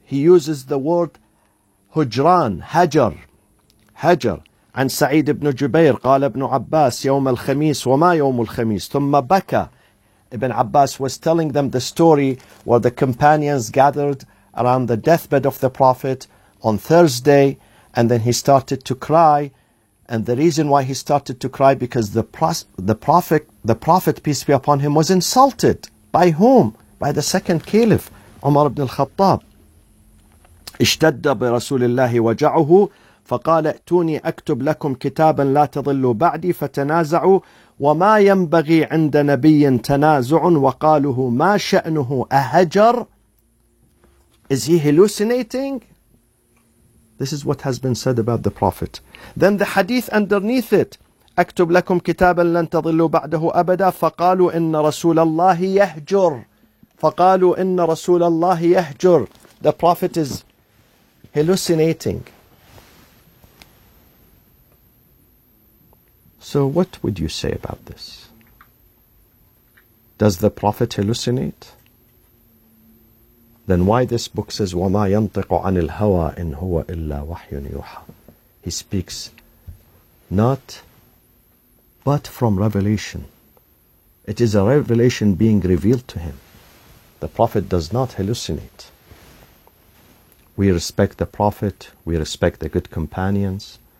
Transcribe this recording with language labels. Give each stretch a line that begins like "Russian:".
English: He uses the word هجران, هجر, هجر.
Arabic: عن سعيد بن جبير قال ابن عباس يوم الخميس وما يوم الخميس ثم بكى.
English: Ibn Abbas was telling them the story where the companions gathered around the deathbed of the Prophet on Thursday, and then he started to cry. And the reason why he started to cry, because the Prophet, peace be upon him, was insulted. By whom? By the second Caliph, Umar ibn al-Khattab.
Arabic: اشتد برسول الله وجعه فقال ائتوني أكتب لكم كتابا لا تضلوا بعدي فتنازعوا وما ينبغي عند نبي تنازع وقالوا ما شأنه أهجر.
English: Is he hallucinating? This is what has been said about the Prophet. Then the hadith underneath it,
Arabic: أكتب لكم كتابا لن تضلوا بعده أبدا. فقالوا إن رسول الله يهجر. فقالوا إن رسول الله يهجر.
English: The prophet is hallucinating. So what would you say about this? Does the prophet hallucinate? Then why this book says
Arabic: وَمَا يَنْطِقُ عَنِ الْهَوَىٰ إِنْ هُوَ إِلَّا وَحْيٌ يُوحَىٰ.
English: He speaks not but from revelation. It is a revelation being revealed to him. The prophet does not hallucinate. We respect the prophet. We respect the good companions.